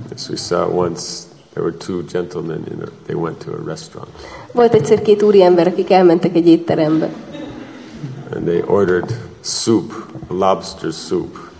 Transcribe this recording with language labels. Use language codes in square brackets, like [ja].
[en] We saw once there were two gentlemen in a, they went to a restaurant. [hu] Volt egyszer két úriember, akik elmentek egy étterembe. [en] And they ordered soup, lobster soup.